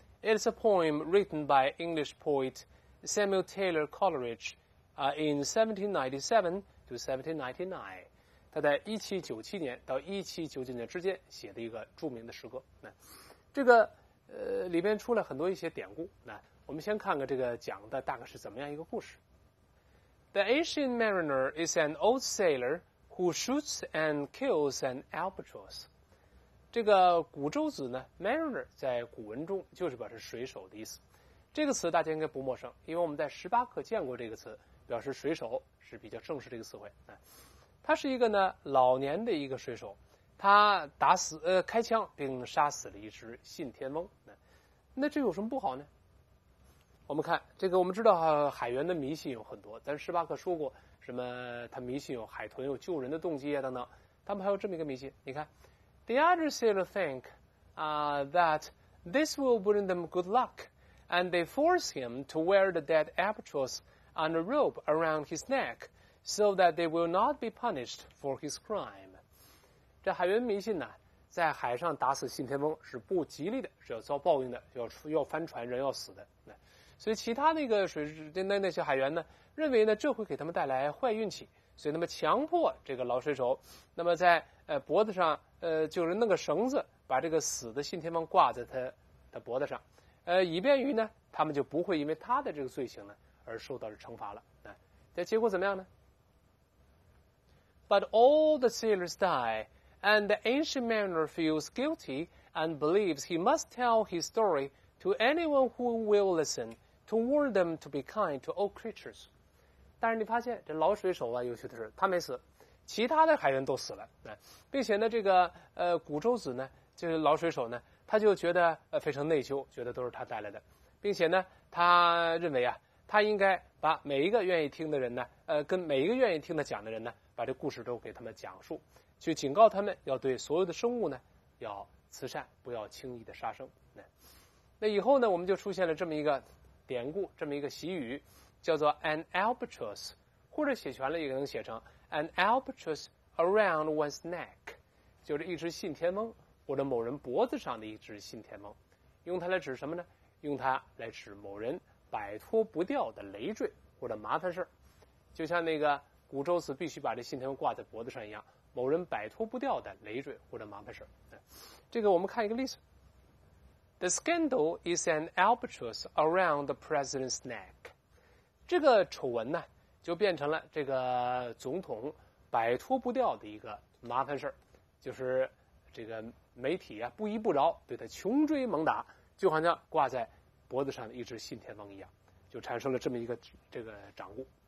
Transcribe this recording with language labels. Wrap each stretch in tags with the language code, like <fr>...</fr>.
<en>It's a poem written by English poet Samuel Taylor Coleridge in 1797 to 1799。</en> <zh>他在1797年到1799年之间写的一个著名的诗歌。那这个。里边出了很多一些典故，那我们先看看这个讲的大概是怎么样一个故事。</zh> <en>The ancient mariner is an old sailor who shoots and kills an albatross.</en> <zh>这个古舟子呢 mariner 在古文中就是表示水手的意思，这个词大家应该不陌生，因为我们在18课见过这个词，表示水手是比较正式的一个词汇。他是一个呢老年的一个水手，他打死开枪并杀死了一只信天翁。那这有什么不好呢？我们看这个，我们知道海员的迷信有很多，咱十八课说过什么，他迷信有海豚有救人的动机啊等等，他们还有这么一个迷信。你看</zh> <en>The other sailors think that this will bring them good luck and they force him to wear the dead albatross on a rope around his neck so that they will not be punished for his crime。</en> <zh>这海员迷信呢，在海上打死信天翁是不吉利的，是要遭报应的，要翻船，人要死的。所以其他那个那些海员呢，认为呢这会给他们带来坏运气，所以他们强迫这个老水手，那么在脖子上就是弄个绳子，把这个死的信天翁挂在他的脖子上，以便于呢他们就不会因为他的这个罪行呢而受到惩罚了。那结果怎么样呢？</zh> <en>But all the sailors die. And the ancient mariner feels guilty and believes he must tell his story to anyone who will listen to warn them to be kind to all creatures.</en> <zh>但是你发现这老水手啊，尤其是他没死，其他的海员都死了，并且呢这个古舟子呢，就是老水手呢，他就觉得非常内疚，觉得都是他带来的，并且呢他认为啊，他应该把每一个愿意听的人呢，跟每一个愿意听他讲的人呢，把这故事都给他们讲述，去警告他们要对所有的生物呢要慈善，不要轻易的杀生。那以后呢我们就出现了这么一个典故，这么一个习语，叫做 an albatross， 或者写全了也能写成</zh> <en>an albatross around one's neck，</en> <zh>就是一只信天翁，或者某人脖子上的一只信天翁，用它来指什么呢？用它来指某人摆脱不掉的累赘或者麻烦事，就像那个古宙斯必须把这信天翁挂在脖子上一样，某人摆脱不掉的累赘或者麻烦事。这个我们看一个例子。</zh> <en>The scandal is an albatross around the president's neck.</en> <zh>这个丑闻呢，就变成了这个总统摆脱不掉的一个麻烦事，就是这个媒体啊不依不饶，对他穷追猛打，就好像挂在脖子上的一只信天翁一样，就产生了这么一个这个掌故。</zh>